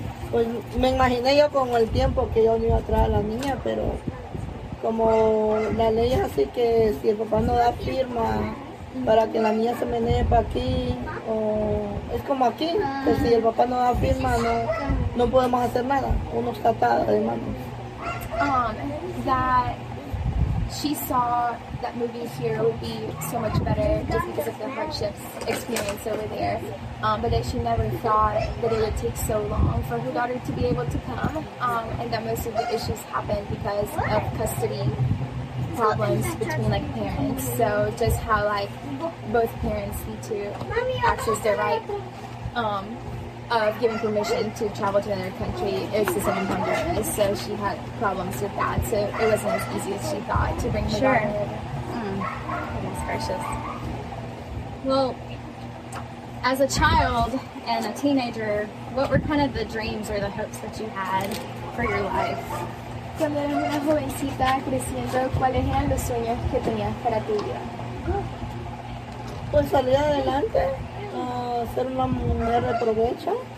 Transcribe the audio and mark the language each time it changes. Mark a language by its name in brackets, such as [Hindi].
[Spanish] Pues me imaginé yo con el tiempo que yo no iba a traer a la niña, pero como la ley es así que si el papá no da firma para que la niña se menee para aquí, o es como aquí, que si el papá no da firma no podemos hacer nada, uno está atado de manos. [English] That she saw that moving here would be so much better just because of the hardships experience over there. But that she never thought that it would take so long for her daughter to be able to come. And that most of the issues happened because of custody problems between like parents. So just how like both parents need to access their right of giving permission to travel to another country is the same in Honduras. So she had problems with that. So it wasn't as easy as she thought to bring her daughter. Goodness gracious. Well, as a child and a teenager, what were kind of the dreams or the hopes that you had for your life? [Spanish] Cuando era una jovencita creciendo, ¿cuáles eran los sueños que tenías para tu vida? Pues salir adelante, ser una mujer de provecho.